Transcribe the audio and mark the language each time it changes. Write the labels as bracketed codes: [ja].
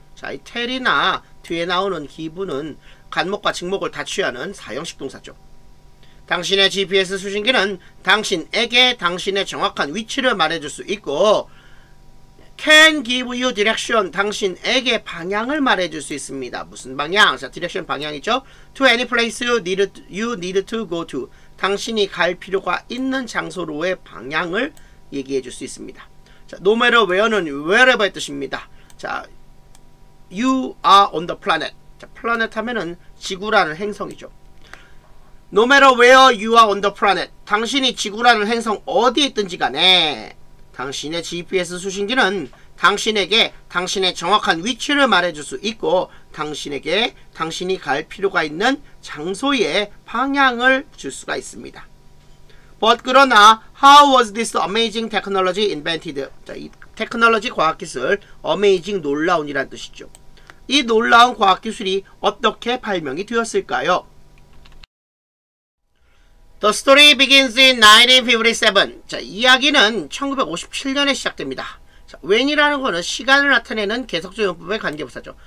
[ko] 자, 이 tell이나 뒤에 나오는 기부는 간목과 직목을 다 취하는 사형식 동사죠. 당신의 GPS 수신기는 당신에게 당신의 정확한 위치를 말해줄 수 있고, [en] Can give you direction. [ko] 당신에게 방향을 말해줄 수 있습니다. 무슨 방향? 자, direction 방향이죠. [en] To any place you need to go to. [ko] 당신이 갈 필요가 있는 장소로의 방향을 얘기해줄 수 있습니다. 자, no matter where는 wherever의 뜻입니다. 자, [en] you are on the planet. [ko] 자, planet 하면은 지구라는 행성이죠. [en] No matter where you are on the planet. [ko] 당신이 지구라는 행성 어디에 있든지 간에 당신의 GPS 수신기는 당신에게 당신의 정확한 위치를 말해줄 수 있고 당신에게 당신이 갈 필요가 있는 장소의 방향을 줄 수가 있습니다. [en] But [ko] 그러나 [en] How was this amazing technology invented? [ko] 자, 이 technology 과학기술 amazing 놀라운이란 뜻이죠. 이 놀라운 과학기술이 어떻게 발명이 되었을까요? [en] The story begins in 1957. [ko] 자, 이야기는 1957년에 시작됩니다. 자, when이라는 거는 시간을 나타내는 계속적 용법의 관계부사죠.